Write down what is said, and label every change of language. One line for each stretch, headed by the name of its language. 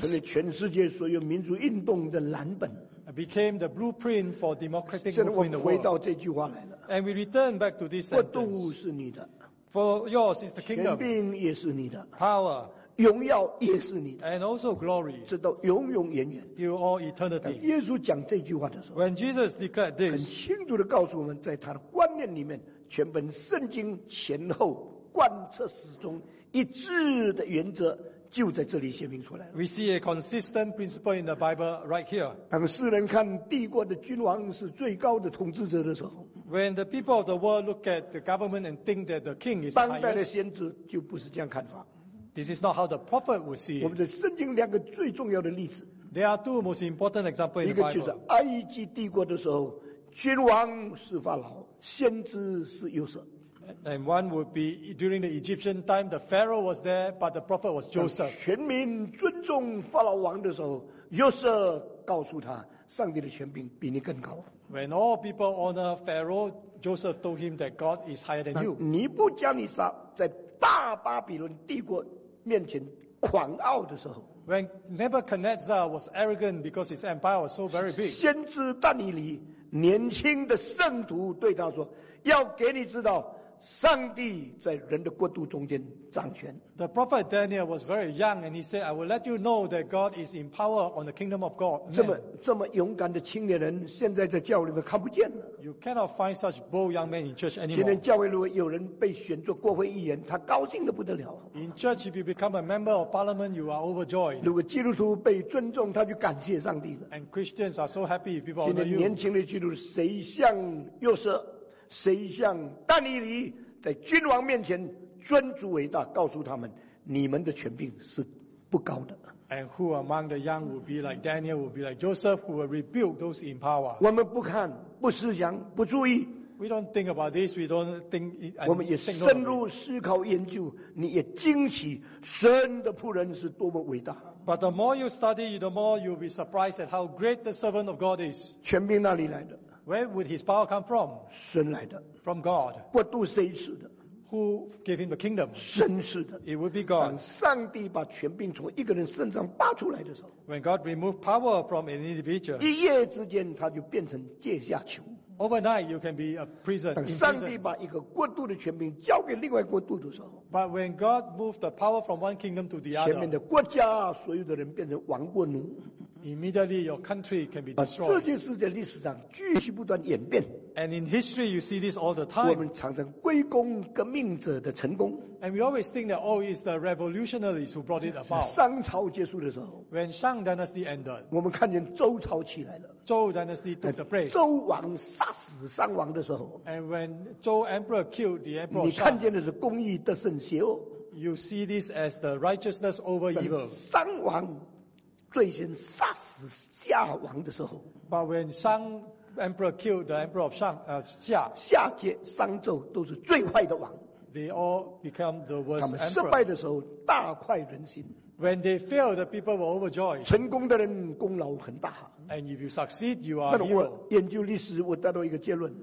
Chinese: 成了全世界所有民主运动的蓝本。
English: Became the blueprint for democratic movement in the world.
Chinese: 现在我们回到这句话来了。
English: And we return back to this sentence.
Chinese: 国度是你的。
English: For yours is the kingdom.
Chinese: 权柄也是你的。
English: Power.
Chinese: 荣耀也是你的
English: ，and also glory，
Chinese: 直到永永远远
English: ，till all eternity。
Chinese: 耶稣讲这句话的时候
English: ，when Jesus declared this，
Chinese: 很清楚地告诉我们，在他的观念里面，全本圣经前后贯彻始终一致的原则就在这里显明出来了。
English: We see a consistent principle in the Bible right here。
Chinese: 当世人看帝国的君王是最高的统治者的时候。
English: When the people of the world look at the government and think that the king is highest，
Chinese: 当代的先知就不是这样看法。
English: This is not how the prophet would see it.
Chinese: 我们的圣经两个最重要的例子。
English: There are two most important examples in the Bible.
Chinese: 一个就是埃及帝国的时候，君王是法老，先知是约瑟。
English: And one would be during the Egyptian time, the Pharaoh was there, but the prophet was Joseph.
Chinese: 全民尊重法老王的时候，约瑟告诉他，上帝的权柄比你更高。
English: When all people honor Pharaoh, Joseph told him that God is higher than you.
Chinese: 尼布加尼撒在大巴比伦帝国面前狂傲的时候
English: ，When Nebuchadnezzar was arrogant because his empire was so very big，
Chinese: 先知但以理年轻的圣徒对他说：“要给你知道，上帝在人的国度中间掌权。
English: ”The prophet Daniel was very young, and he said, "I will let you know that God is in power on the kingdom of God."
Chinese: 这么勇敢的青年人，现在在教会里面看不见了。
English: You cannot find such bold young men in church anymore.
Chinese: 今天教会如果有人被选作国会议员，他高兴得不得了。
English: In church, if you become a member of parliament, you are overjoyed.
Chinese: 如果基督徒被尊重，他就感谢上帝了。
English: And Christians are so happy if people honor you.
Chinese: 今天年轻的基督徒，谁像约瑟，谁像但以理，在君王面前尊主伟大，告诉他们，你们的权柄是不高的。
English: And who among the young will be like Daniel, will be like Joseph, who will rebuke those in power?
Chinese: 我们不看。不思想，不注意。
English: We don't think about this. We don't think.
Chinese: 我们也深入思考研究，你也惊奇神的仆人是多么伟大。
English: But the more you study, the more you'll be surprised at how great the servant of God is.
Chinese: 权柄哪里来的
English: ？Where would his power come from?
Chinese: 神来的。
English: From God.
Chinese: 国度谁赐的
English: ？Who gave him the kingdom?
Chinese: 神赐的。
English: It would be God.
Chinese: 当上帝把权柄从一个人身上拔出来的时候。
English: When God removed power from an individual,
Chinese: 一夜之间他就变成阶下囚。
English: Overnight, you can be a prison.
Chinese: 当上帝把一个国度的权柄交给另外国度的时候
English: ，But when God moved the power from one kingdom to the other,
Chinese: 前面的国家所有的人变成亡国奴。
English: Immediately, your country can be destroyed.
Chinese: 这件事在历史上继续不断演变。
English: And in history, you see this all the time.
Chinese: 我们常常归功革命者的成功。
English: And we always think that, oh, it's the revolutionaries who brought it about.
Chinese: 商朝结束的时候
English: ，When Shang Dynasty ended,
Chinese: 我们看见周朝起来了。
English: Zhou Dynasty took the place.
Chinese: 周王杀死商王的时候
English: ，And when Zhou Emperor killed the Emperor Shang,
Chinese: 你看见的是公义得胜邪恶。
English: you see this as the righteousness over evil.
Chinese: 商王最先杀死夏王的时候,
English: but when Shang Emperor killed the Emperor of Shang, Xia,
Chinese: 夏桀商纣都是最坏的王,
English: they all become the worst emperor.
Chinese: 他们失败的时候大快人心,
English: when they failed, the people were overjoyed.
Chinese: 成功的人功劳很大,
English: and if you succeed, you are hero.
Chinese: 我研究历史, 我得到一个结论,